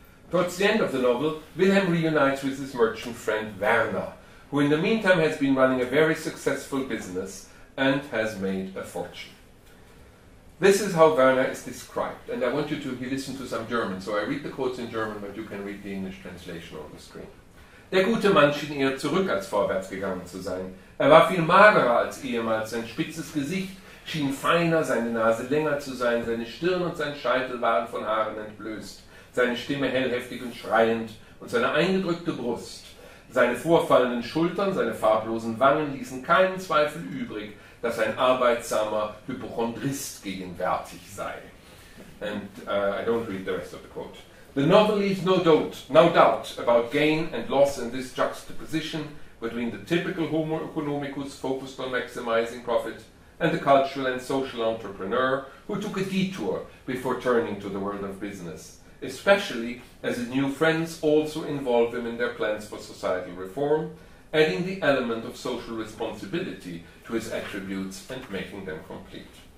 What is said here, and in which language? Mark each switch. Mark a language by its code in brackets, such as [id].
[en] Towards the end of the novel, Wilhelm reunites with his merchant friend Werner, who in the meantime has been running a very successful business and has made a fortune. This is how Werner is described, and I want you to listen to some German. So I read the quotes in German, but you can read the English translation on the screen. [de] Der gute Mann schien eher zurück als vorwärts gegangen zu sein. Er war viel magerer als ehemals, sein spitzes Gesicht schien feiner, seine Nase länger zu sein, seine Stirn und sein Scheitel waren von Haaren entblößt, seine Stimme hellheftig und schreiend und seine eingedrückte Brust, seine vorfallenden Schultern, seine farblosen Wangen ließen keinen Zweifel übrig, dass ein arbeitsamer Hypochondrist gegenwärtig sei. [en] And I don't read the rest of the quote. The novel leaves no doubt about gain and loss in this juxtaposition between the typical homo economicus focused on maximizing profit and the cultural and social entrepreneur who took a detour before turning to the world of business, especially as his new friends also involve him in their plans for societal reform, adding the element of social responsibility to his attributes and making them complete.